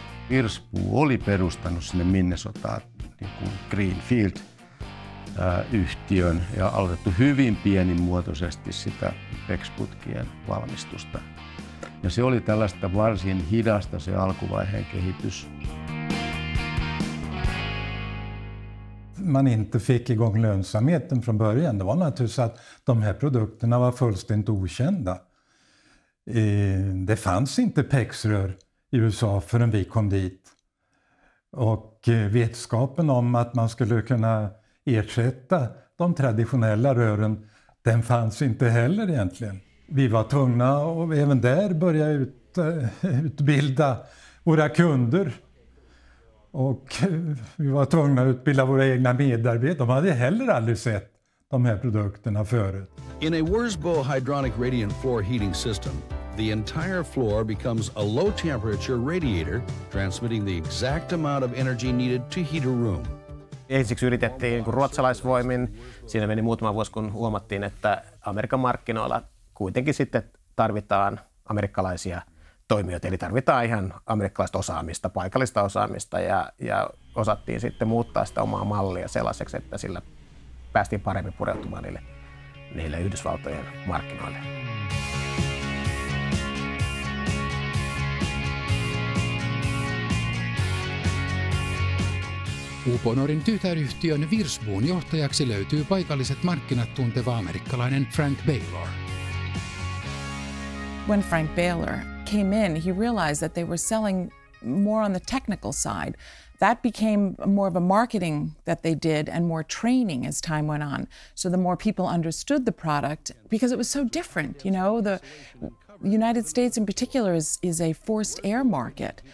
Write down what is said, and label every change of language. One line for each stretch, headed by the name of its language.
Finnish: Virspuu oli perustanut sinne Minnesotaan niin kuin Greenfield-yhtiön ja aloitettu hyvin pienimuotoisesti sitä PEX-putkien valmistusta. Ja se oli tällaista varsin hidasta se alkuvaiheen kehitys.
Swedish: Man inte fick igång lönsamheten från början. Det var naturligtvis att de här produkterna var fullständigt okända. Det fanns inte PEX-rör i USA förrän vi kom dit. Och vetskapen om att man skulle kunna ersätta de traditionella rören, den fanns inte heller egentligen. Vi var tvungna och även där börja utbilda våra kunder. Och vi var tvungna att utbilda våra egna medarbetare. De hade heller aldrig sett de här produkterna förut.
English: In a Wurzbo hydronic radiant floor heating system, the entire floor becomes a low temperature radiator, transmitting the exact amount of energy needed to heat a room.
Finnish: Ensiksi yritettiin ruotsalaisvoimin. Siinä meni muutama vuosi, kun huomattiin, että Amerikan markkinoilla kuitenkin sitten tarvitaan amerikkalaisia toimijoita, eli tarvitaan ihan amerikkalaista osaamista, paikallista osaamista ja osattiin sitten muuttaa sitä omaa mallia sellaiseksi, että sillä päästiin paremmin pureutumaan niille Yhdysvaltojen markkinoille. Uponorin tytäryhtiön Virsbuun johtajaksi löytyy paikalliset markkinat tunteva amerikkalainen Frank Baylor.
English: When Frank Baylor came in, he realized that they were selling more on the technical side. That became more of a marketing that they did and more training as time went on. So the more people understood the product, because it was so different, you know, the United States in particular is a forced air market.